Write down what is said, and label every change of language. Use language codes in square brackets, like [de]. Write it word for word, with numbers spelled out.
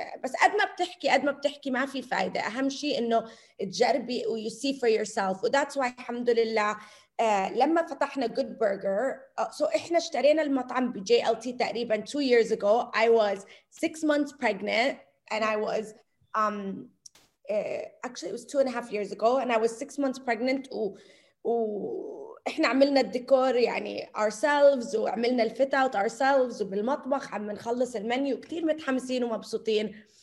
[ar] بس قد ما بتحكي قد ما بتحكي ما في فائدة. أهم شيء إنه تجربي و [en] you see for yourself. That's why [ar] الحمد لله. Uh, لما فتحنا Good Burger, uh, so إحنا اشترينا المطعم ب جي إل تي تقريباً [en] two years ago. I was six months pregnant, and I was um, uh, actually it was two and a half years ago, and I was six months pregnant. و, و [ar] احنا عملنا الديكور يعني ourselves وعملنا الفيت اوت ourselves وبالمطبخ عم نخلص المنيو كتير متحمسين ومبسوطين.